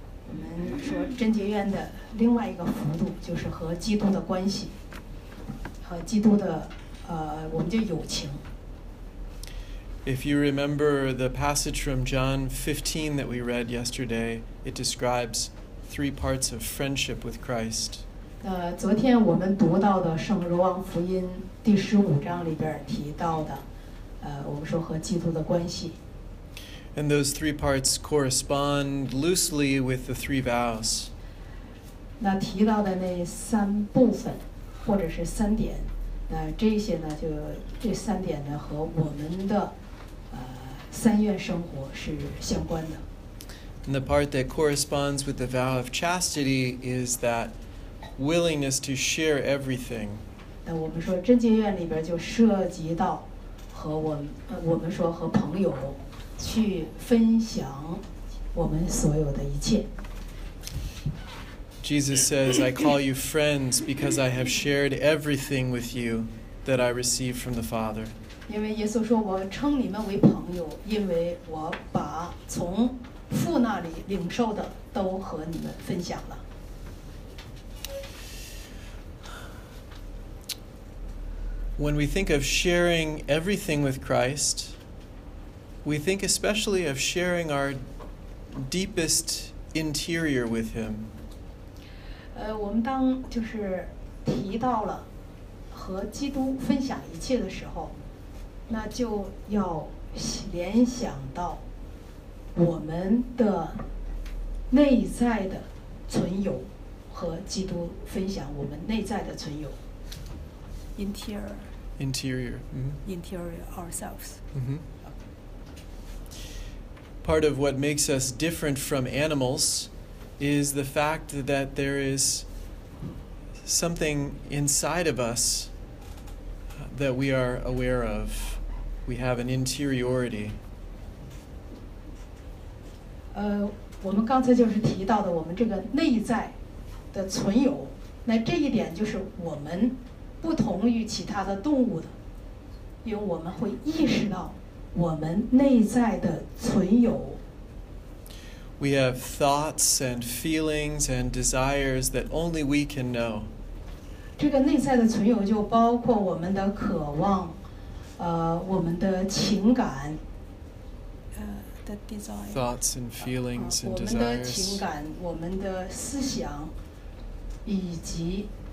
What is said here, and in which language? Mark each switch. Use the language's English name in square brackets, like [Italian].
[English] If you remember the passage from John 15 that we read yesterday, it describes three parts of friendship with Christ. [Chinese] 昨天我们读到的《圣若望福音》第十五章里边提到的，我们说和基督的关系。 [English] And those three parts correspond loosely with the three vows. [Chinese] 那提到的那三部分，或者是三点，那这些呢，就这三点呢和我们的三愿生活是相关的。 [English] And the part that corresponds with the vow of chastity is that willingness to share everything. [Chinese] 那我们说贞洁愿里边就涉及到和我们说和朋友去分享我们所有的一切。 [English] Jesus says, I call you friends because I have shared everything with you that I received from the Father. [Chinese] 因为耶稣说我称你们为朋友，因为我把从父那里领受的都和你们分享了。 [English] When we think of sharing everything with Christ, we think especially of sharing our deepest interior with Him. [Chinese] 我们当就是提到了和基督分享一切的时候，那就要联想到我们的内在的存有和基督分享我们内在的存有。 [English] Interior. Mm-hmm. Interior ourselves. Mm-hmm. Part of what makes us different from animals is the fact that there is something inside of us that we are aware of. We have an interiority. [Chinese] 我们刚才就是提到的我们这个内在的存有，那这一点就是我们不同于其他的动物的，因为我们会意识到我们内在的存有。 [English] We have thoughts and feelings and desires that only we can know. [Chinese] 这个内在的存有就包括我们的渴望，我们的情感。 [English] The desire. Thoughts and feelings and desires. [Chinese] 我们的情感，我们的思想，以及